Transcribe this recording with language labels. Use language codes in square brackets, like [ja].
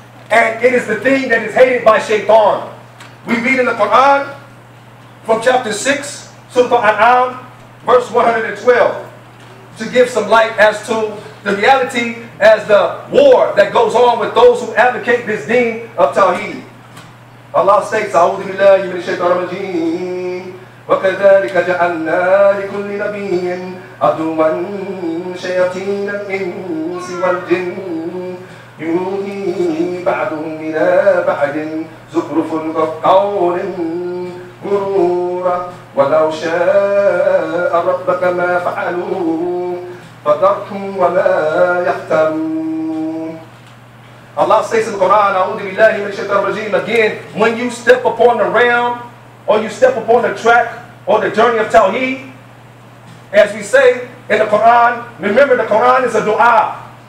[en] And it is the thing that is hated by Shaytan. We read in the Quran from chapter 6, Surah Al-An'am, verse 112, to give some light as to the reality as the war that goes on with those who advocate this deen of Tawheed. الله سيكس [ar] أعوذ بالله من الشيطان الرجيم وكذلك جعلنا لكل نبي عدوا شياطين الإنس والجن يوهي بعضهم إلى بعد زخرف القول غرورا ولو شاء ربك ما فعلوه فذرهم وما يفترون. [en] Allah says in the Quran, [ar] أعوذ بالله من الشيطان الرجيم. [en] Again, when you step upon the realm, or you step upon the track, or the journey of Tawheed, as we say in the Quran, remember the Quran is a dua.